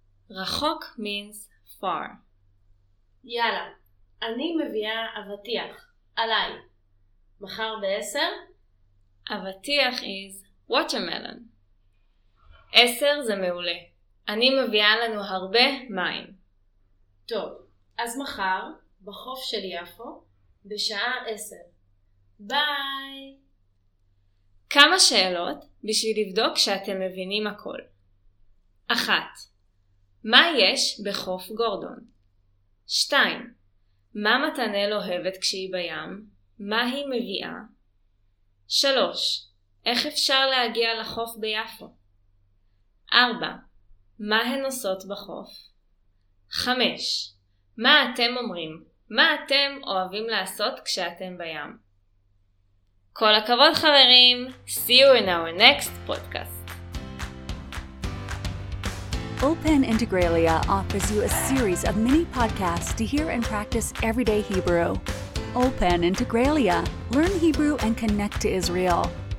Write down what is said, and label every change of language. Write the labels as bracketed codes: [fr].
[en] רחוק means far. [he] יאללה, אני מביאה אבטיח, עליי. מחר ב-10? [en] אבטיח is watermelon. [he] 10 זה מעולה. אני מביאה לנו הרבה מים. טוב, אז מחר, בחוף של יפו, בשעה 10. ביי! כמה שאלות בשביל לבדוק שאתם מבינים הכל. 1. מה יש בחוף גורדון? 2. מה מתנאל אוהבת כשהיא בים? מה היא מביאה? 3. איך אפשר להגיע לחוף ביפו? 4. מה הן עושות בחוף? 5. מה אתם אומרים? מה אתם אוהבים לעשות כשאתם בים? כל הכבוד חברים! [en] See you in our next podcast! Ulpan Integralia offers you a series of mini podcasts to hear and practice everyday Hebrew. Ulpan Integralia. Learn Hebrew and connect to Israel.